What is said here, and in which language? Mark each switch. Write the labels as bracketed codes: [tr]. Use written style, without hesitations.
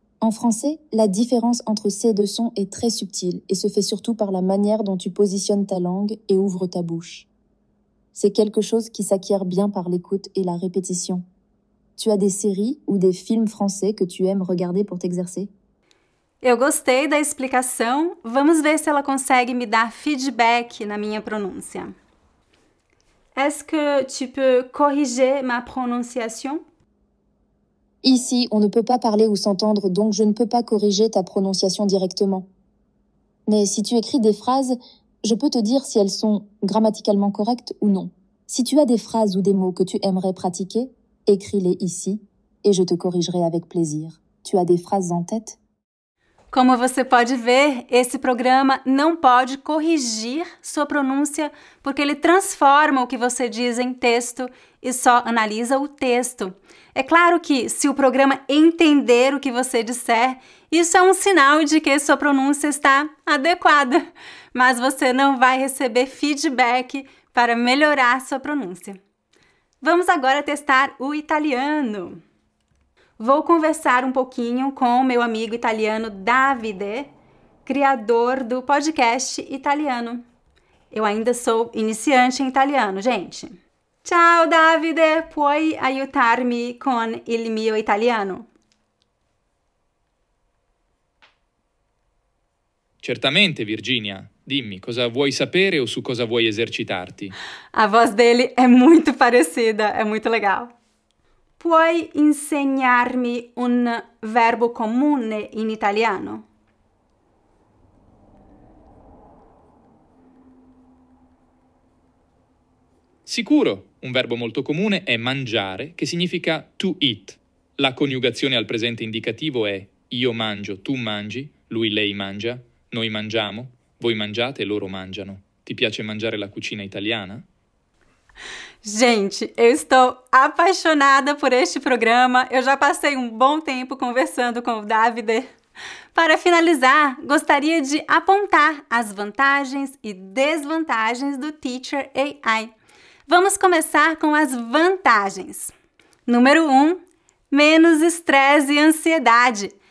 [fr] En français, la différence entre ces deux sons est très subtile et se fait surtout par la manière dont tu positionnes ta langue et ouvres ta bouche. C'est quelque chose qui s'acquiert bien par l'écoute et la répétition. Tu as des séries ou des films français que tu aimes regarder pour t'exercer? [pt] Eu gostei da explicação. Vamos ver se ela consegue me dar feedback na minha pronúncia. [fr] Est-ce que tu peux corriger ma prononciation? Ici, on ne peut pas parler ou s'entendre, donc je ne peux pas corriger ta prononciation directement. Mais si tu écris des phrases, je peux te dire si elles sont grammaticalement correctes ou non. Si tu as des phrases ou des mots que tu aimerais pratiquer, écris-les ici et je te corrigerai avec plaisir. Tu as des phrases en tête? [pt] Como você pode ver, esse programa não pode corrigir sua pronúncia porque ele transforma o que você diz em texto e só analisa o texto. É claro que, se o programa entender o que você disser, isso é um sinal de que sua pronúncia está adequada, mas você não vai receber feedback para melhorar sua pronúncia. Vamos agora testar o italiano. Vou conversar um pouquinho com o meu amigo italiano Davide, criador do podcast Italiano. Eu ainda sou iniciante em italiano, gente. [it] Ciao Davide, puoi aiutarmi con il mio italiano? Certamente, Virginia. Dimmi, cosa vuoi sapere o su cosa vuoi esercitarti? [pt] A voz dele è molto parecida, è molto legal. [it] Puoi insegnarmi un verbo comune in italiano? Sicuro, un verbo molto comune è mangiare, che significa to eat. La coniugazione al presente indicativo è io mangio, tu mangi, lui, lei mangia, noi mangiamo, voi mangiate e loro mangiano. Ti piace mangiare la cucina italiana? [pt] Gente, eu estou apaixonada por este programa. Eu já passei um bom tempo conversando com o Davide. Para finalizar, gostaria de apontar as vantagens e desvantagens do Teacher AI. Vamos começar com as vantagens. Número 1, menos estresse e ansiedade.